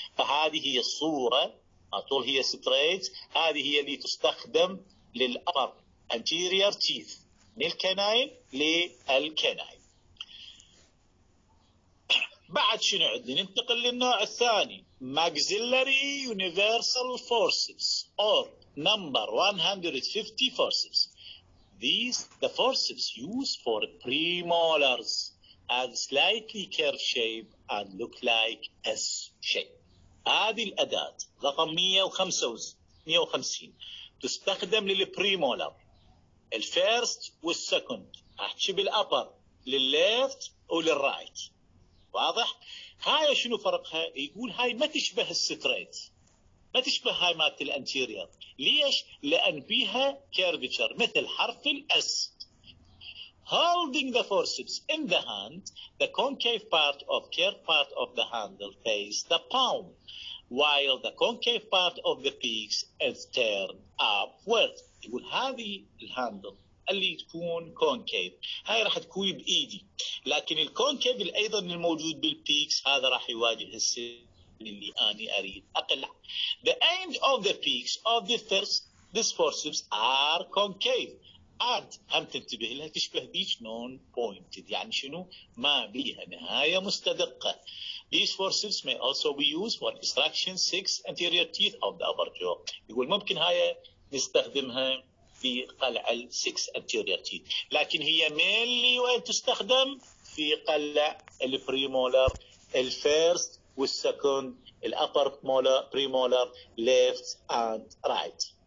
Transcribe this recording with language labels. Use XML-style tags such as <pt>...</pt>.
<ar>فهذه هي الصورة طول هي ستريت، هذه هي اللي تستخدم للأوبر أنتيريور تيث من الكناين للكناين. بعد شنو عندنا؟ ننتقل للنوع الثاني ماكسيلاري يونيفرسال فورسز أور نمبر 150 فورسز.</ar> <en>These the forces used for premolars and slightly curved shape and look like S shape.</en> <ar>هذه الأداة رقم 155 تستخدم للبريمولر الفيرست والسكند، أحكي بالأبر للليفت وللرايت. واضح؟ هاي شنو فرقها؟ يقول هاي ما تشبه الستريت، ما تشبه هاي مات الأنتيريور. ليش؟ لأن بيها كيرفتشر مثل حرف الأس.</ar> <en>Holding the forceps in the hand, the concave part of curved part of the handle face the palm, while the concave part of the peaks is turned upward.</en> <ar>يقول هذه الهاندل اللي تكون concave هاي راح تكون بإيدي، لكن الكونكيف أيضا الموجود بالبيكس هذا راح يواجه السن اللي أنا أريد أقلع.</ar> <en>The end of the peaks of the first these forceps are concave.</en> <ar>عاد هم تنتبه لها تشبه ديش نون بوينتد، يعني شنو؟ ما بيها نهاية مستدقة.</ar> <en>These forceps may also be used for extraction six anterior teeth of the upper jaw.</en> <ar>يقول ممكن هاي نستخدمها في قلع ال</ar> <en>six anterior teeth،</en> <ar>لكن هي mainly وين تستخدم؟ في قلع البريمولر الفيرست والسكند، الأبر مولر بريمولر ليفت اند رايت.</ar>